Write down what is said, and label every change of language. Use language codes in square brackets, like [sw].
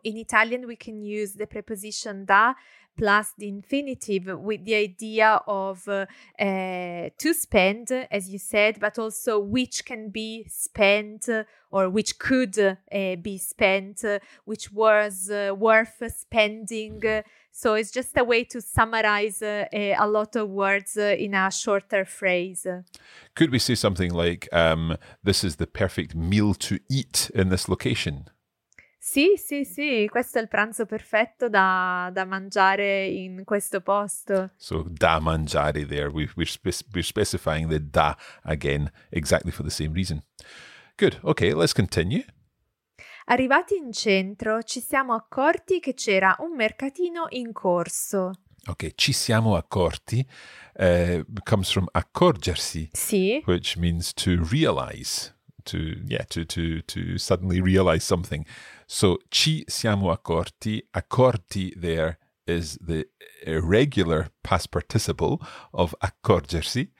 [en] In Italian, we can use the preposition da plus the infinitive with the idea of to spend, as you said, but also which can be spent or which could be spent, which was worth spending. So it's just a way to summarize a lot of words in a shorter phrase. Could we say something like, this is the perfect meal to eat in this location? [it] Sì, sì, sì, questo è il pranzo perfetto da mangiare in questo posto. [en] So, [it] da mangiare [en] there, we're specifying the da again, exactly for the same reason. Good, okay, let's continue. [it] Arrivati in centro, ci siamo accorti che c'era un mercatino in corso. [en] Okay, [it] ci siamo accorti, [en] comes from accorgersi. [it] Sì. [en] Which means to realize, to suddenly realize something. So, [it] ci siamo accorti. [en] Accorti there is the irregular past participle of accorgersi.